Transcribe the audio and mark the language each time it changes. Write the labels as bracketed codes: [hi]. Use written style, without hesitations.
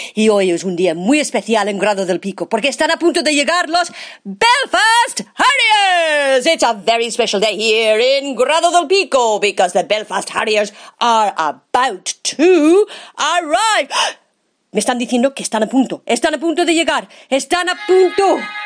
[es] Y hoy es un día muy especial en Grado del Pico porque están a punto de llegar los Belfast Harriers. [en] It's a very special day here in Grado del Pico because the Belfast Harriers are about to arrive. [es] Me están diciendo que están a punto de llegar, están a punto.